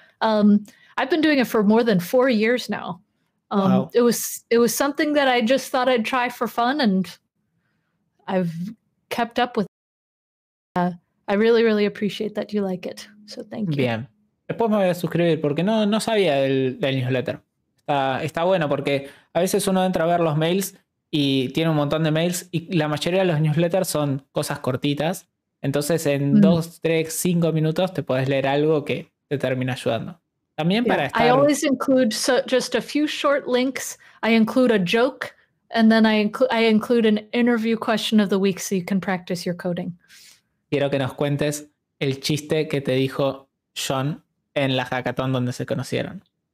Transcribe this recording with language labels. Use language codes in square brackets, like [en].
[en] I've been doing it for more than 4 years now. Wow. It was something that I just thought I'd try for fun, and I've kept up with it. I really, really appreciate that you like it. So thank you. [es] Bien. Después me voy a suscribir porque no sabía del newsletter. Está bueno porque a veces uno entra a ver los mails y tiene un montón de mails y la mayoría de los newsletters son cosas cortitas. Entonces en 2, 3, 5 minutos te puedes leer algo que te termina ayudando. También para estar... [en] I always include just a few short links. I include a joke and then I include an interview question of the week so you can practice your coding. [es] Quiero que nos cuentes el chiste que te dijo John en la hackathon donde se conocieron.